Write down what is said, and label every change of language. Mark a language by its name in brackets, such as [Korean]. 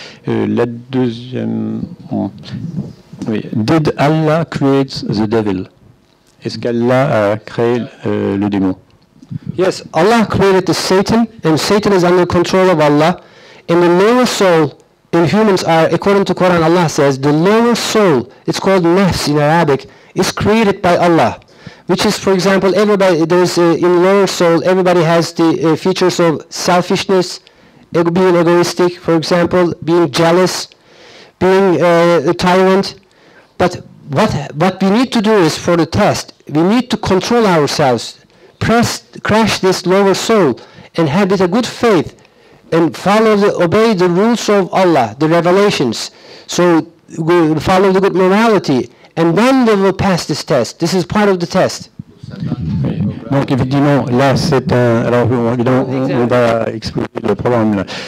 [French] La deuxième... Bon, oui. [English] Did Allah create the devil? [French] Est-ce qu'Allah a créé le démon? [English] Yes, Allah created the Satan, and Satan is under control of Allah, and the lower soul... In humans are, according to Quran, Allah says, the lower soul, it's called nafs in Arabic, is created by Allah. Which is, for example, everybody, there's in lower soul, everybody has the features of selfishness, being egoistic, for example, being jealous, being tyrant. But what we need to do is, for the test, we need to control ourselves, crash this lower soul, and have it a good faith. And follow obey the rules of Allah, the revelations. So we follow the good morality, and then they will pass this test. This is part of the test. [French] Oui. Donc effectivement, là c'est un. Alors évidemment, on va expliquer le problème.